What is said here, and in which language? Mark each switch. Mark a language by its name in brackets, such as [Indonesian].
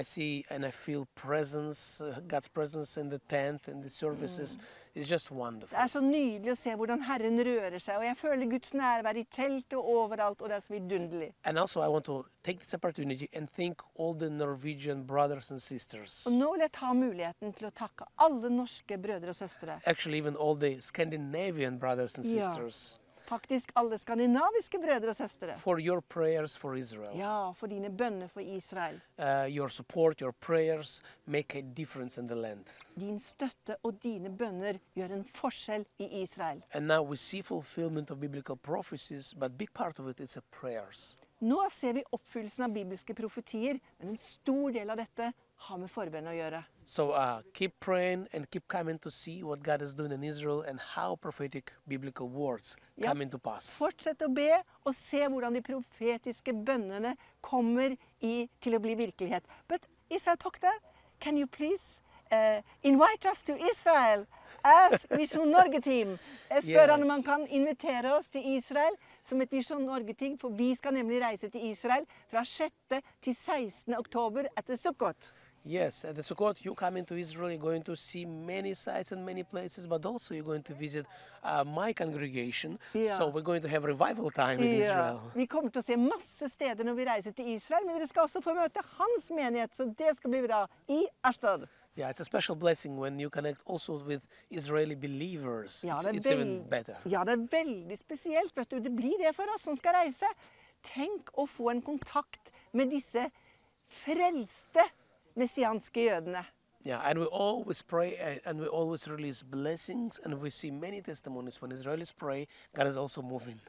[English] I see and I feel presence, God's presence in the tent and the services. Mm. It's just wonderful. [Norwegian] Det så nydelig å se hvordan Herren rører seg, og jeg føler Guds nærvær i teltet og overalt, og det så vidunderlig. [English] And also I want to take this opportunity and thank all the Norwegian brothers and sisters. [Norwegian] Og nå vil jeg ta muligheten til å takke alle norske brødre og søstre. [English] Actually even all the Scandinavian brothers and sisters. [Norwegian] Ja. Faktisk alle skandinaviske brødre og søstre. [English] For your prayers for Israel. [Norwegian] Ja, for dine bønner for Israel. [English] Your support, your prayers make a difference in the land. [Norwegian] Din støtte og dine bønner gjør en forskjell I Israel. [English] And now we see fulfillment of biblical prophecies, but big part of it is a prayers. [Norwegian] Nå ser vi oppfyllelsen av bibelske profetier, men en stor del av dette har med forbønn å gjøre. [English] So keep praying and keep coming to see what God is doing in Israel and how prophetic biblical words come into pass. [Norwegian] Fortsett å be og se hvordan de profetiske bønnene kommer I til å bli virkelighet. [English] But Israel Pakta, can you please invite us to Israel as Mission Norge team? [Norwegian] Jeg spør om man kan invitere oss til Israel som et Mission Norge team, for vi skal nemlig reise til Israel fra 6. til 16. oktober etter Sukkot. [English] Yes, at the Sukkot, you come into Israel, you're going to see many sites and many places, but also you're going to visit my congregation. Yeah. So we're going to have revival time in Israel. [Norwegian] Vi kommer til å se masse steder når vi reiser til Israel, men dere skal også få møte hans menighet, så det skal bli bra I Ashdod. [English] Yeah, it's a special blessing when you connect also with Israeli believers. It's even better. [Norwegian] Ja, det veldig spesielt, vet du. Det blir det for oss som skal reise. Tenk å få en kontakt med disse frelste messianske jødene. [English] Yeah, and we always pray and we always release blessings and we see many testimonies when Israelis pray, God is also moving.